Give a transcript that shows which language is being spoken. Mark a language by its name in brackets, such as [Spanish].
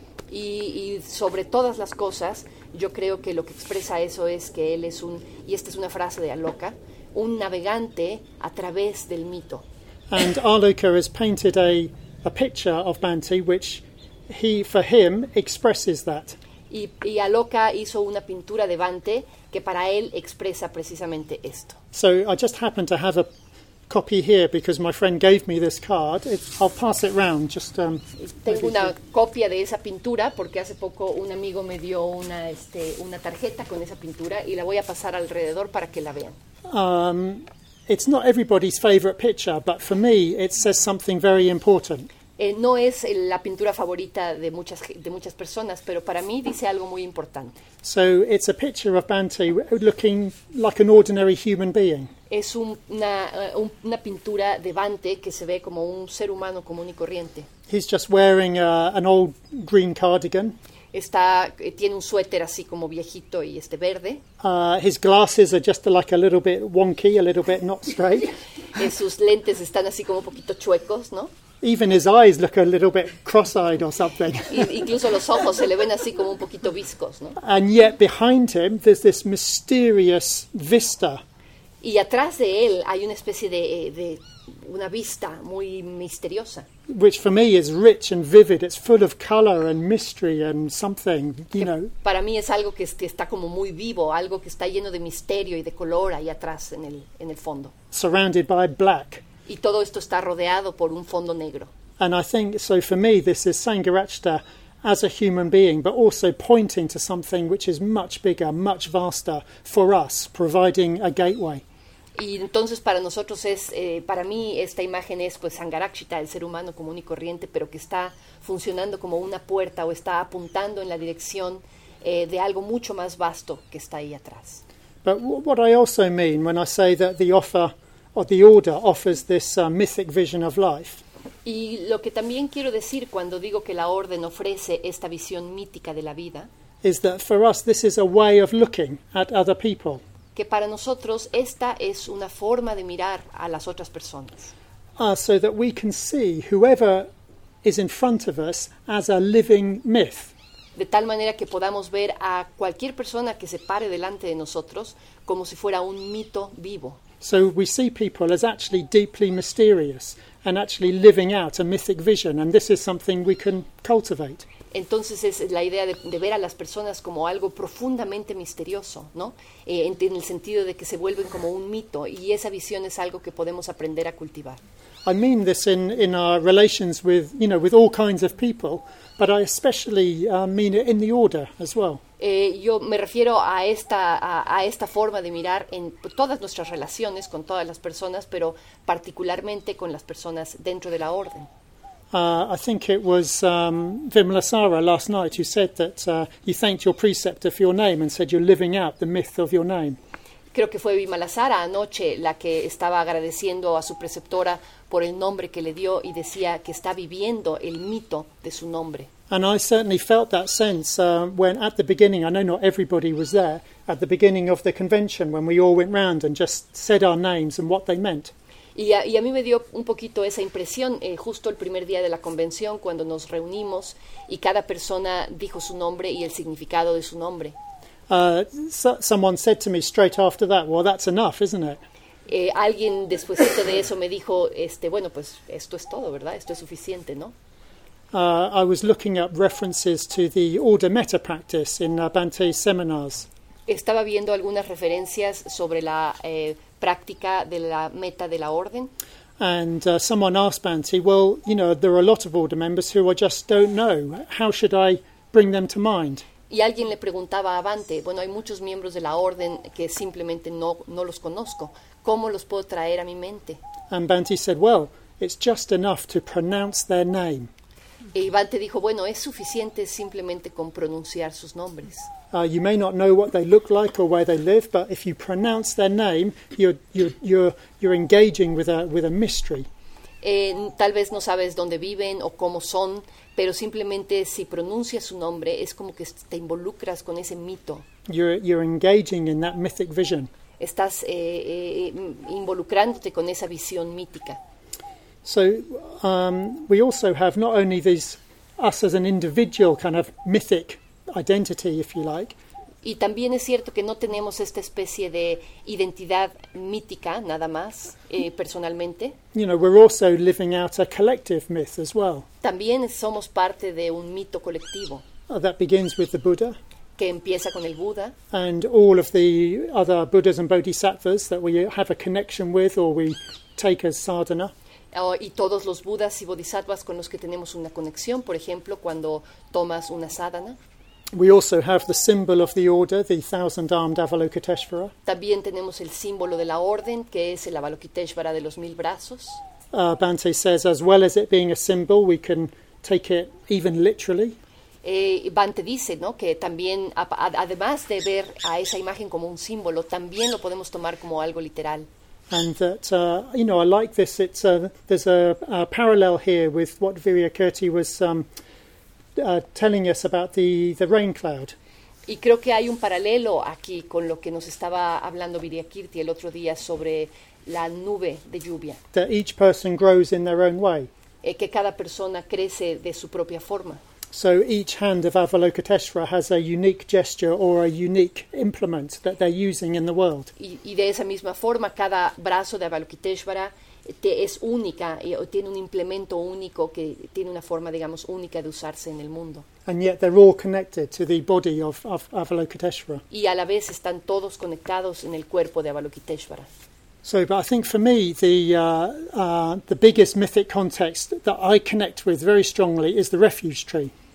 [Spanish] Y sobre todas las cosas, yo creo que lo que expresa eso es que él es un, y esta es una frase de Aloka, un navegante a través del mito. [English] And Aloka has painted a picture of Bhante, which he, for him, expresses that. [Spanish] Y Aloka hizo una pintura de Bhante que para él expresa precisamente esto. [English] So I just happen to have a copy here because my friend gave me this card. I'll pass it round. Just [Spanish] tengo una copia de esa pintura porque hace poco un amigo me dio una tarjeta con esa pintura y la voy a pasar alrededor para que la vean. [English] It's not everybody's favorite picture, but for me, it says something very important. [Spanish] No es la pintura favorita de muchas personas, pero para mí dice algo muy importante. [English] So it's a picture of Bhante looking like an ordinary human being. [Spanish] Es una pintura de Bhante que se ve como un ser humano común y corriente. [English] He's just wearing an old green cardigan. [Spanish] Tiene un suéter así como viejito y verde. [English] His glasses are just like a little bit wonky, a little bit not straight. [Spanish] Sus lentes están así como un poquito chuecos, ¿no? [English] Even his eyes look a little bit cross-eyed or something. [Spanish] Incluso los ojos se le ven así como un poquito viscos, ¿no? [English] And yet behind him there's this mysterious vista. [Spanish] Y atrás de él hay una especie de una vista muy misteriosa. [English] Which for me is rich and vivid. It's full of color and mystery and something, you know. [Spanish] Para mí es algo que está como muy vivo, algo que está lleno de misterio y de color ahí atrás en el fondo. [English] Surrounded by black. [Spanish] Y todo esto está rodeado por un fondo negro. [English] And I think, so for me, this is Sangharakshita as a human being, but also pointing to something which is much bigger, much vaster for us, providing a gateway. [Spanish] Y entonces para nosotros es, para mí esta imagen es pues Sangharakshita, el ser humano común y corriente, pero que está funcionando como una puerta o está apuntando en la dirección de algo mucho más vasto que está ahí atrás. [English] But what I also mean when I say that the offer or the order offers this mythic vision of life. [Spanish] Y lo que también quiero decir cuando digo que la orden ofrece esta visión mítica de la vida [English] is that for us this is a way of looking at other people. [Spanish] Que para nosotros esta es una forma de mirar a las otras personas. [English] So that we can see whoever is in front of us as a living myth. [Spanish] De tal manera que podamos ver a cualquier persona que se pare delante de nosotros como si fuera un mito vivo. [English] So we see people as actually deeply mysterious and actually living out a mythic vision, and this is something we can cultivate. [Spanish] Entonces es la idea de ver a las personas como algo profundamente misterioso, ¿no? En el sentido de que se vuelven como un mito, y esa visión es algo que podemos aprender a cultivar. [English] I mean this in our relations with, you know, with all kinds of people, but I especially mean it in the order as well. [Spanish] Yo me refiero a esta forma de mirar en todas nuestras relaciones con todas las personas, pero particularmente con las personas dentro de la orden. [English] I think it was Vimalasara last night who said that you thanked your preceptor for your name and said you're living out the myth of your name. [Spanish] Creo que fue Vimalasara anoche la que estaba agradeciendo a su preceptora por el nombre que le dio y decía que está viviendo el mito de su nombre. [English] And I certainly felt that sense when at the beginning, I know not everybody was there, at the beginning of the convention when we all went round and just said our names and what they meant. [Spanish] Y a mí me dio un poquito esa impresión justo el primer día de la convención cuando nos reunimos y cada persona dijo su nombre y el significado de su nombre. [English] Someone said to me straight after that, well, that's enough, isn't it? [Spanish] Alguien después de eso me dijo, bueno, pues esto es todo, ¿verdad? Esto es suficiente, ¿no? [English] I was looking up references to the order meta practice in Bhante's seminars. [Spanish] Estaba viendo algunas referencias sobre la práctica de la meta de la orden. [English] And someone asked Bhante, well, you know, there are a lot of order members who I just don't know. How should I bring them to mind? [Spanish] Y alguien le preguntaba a Bhante, bueno, hay muchos miembros de la orden que simplemente no los conozco. ¿Cómo los puedo traer a mi mente? [English] And Bhante said, well, it's just enough to pronounce their name. [Spanish] Y Bhante dijo, bueno, es suficiente simplemente con pronunciar sus nombres. [English] You may not know what they look like or where they live, but if you pronounce their name, you're engaging with a mystery. [Spanish] Tal vez no sabes dónde viven o cómo son, pero simplemente si pronuncias su nombre es como que te involucras con ese mito. [English] You're engaging in that mythic vision. [Spanish] Estás involucrándote con esa visión mítica. [English] So we also have not only these us as an individual kind of mythic identity, if you like. [Spanish] Y también es cierto que no tenemos esta especie de identidad mítica nada más personalmente. [English] You know, we're also living out a collective myth as well. [Spanish] También somos parte de un mito colectivo. [English] That begins with the Buddha. [Spanish] Que empieza con el Buda. [English] And all of the other Buddhas and Bodhisattvas that we have a connection with or we take as sadhana. [Spanish] Y todos los Budas y Bodhisattvas con los que tenemos una conexión, por ejemplo, cuando tomas una sadhana. [English] We also have the symbol of the order, the thousand-armed Avalokiteshvara. [Spanish] También tenemos el símbolo de la orden, que es el Avalokiteshvara de los mil brazos. [English] Bhante says, as well as it being a symbol, we can take it even literally. [Spanish] Bhante dice, ¿no?, que también, además de ver a esa imagen como un símbolo, también lo podemos tomar como algo literal. [English] And that, you know, I like this. It's there's a parallel here with what Viriyakirti was telling us about the rain cloud. [Spanish] Y creo que hay un paralelo aquí con lo que nos estaba hablando Viriyakirti el otro día sobre la nube de lluvia. [English] That each person grows in their own way. [Spanish] Que cada persona crece de su propia forma. [English] So each hand of Avalokiteshvara has a unique gesture or a unique implement that they're using in the world. [Spanish] Y de esa misma forma, cada brazo de Avalokiteshvara es única o tiene un implemento único que tiene una forma, digamos, única de usarse en el mundo. [English] And yet they're all connected to the body of Avalokiteshvara. [Spanish] Y a la vez están todos conectados en el cuerpo de Avalokiteshvara. [English] So, but I think for me, the biggest mythic context that I connect with very strongly is the refuge tree.